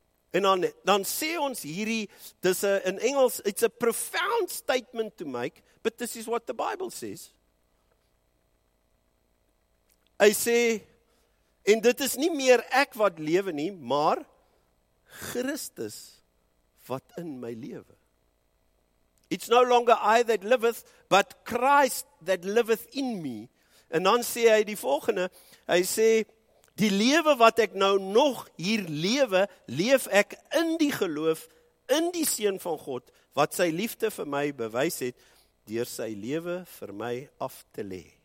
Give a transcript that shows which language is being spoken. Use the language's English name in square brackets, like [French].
[Afrikaans] En dan sê ons hierdie dis 'n in Engels [English] it's a profound statement to make, but this is what the Bible says. [Afrikaans] Hy sê en dit is nie meer ek wat lewe nie, maar Christus wat in my lewe. [English] It's no longer I that liveth, but Christ that liveth in me. [Afrikaans] En dan sê hy die volgende, hy sê, die lewe wat ek nou nog hier lewe, leef ek in die geloof, in die Seun van God, wat sy liefde vir my bewys het, deur sy lewe vir my af te lê.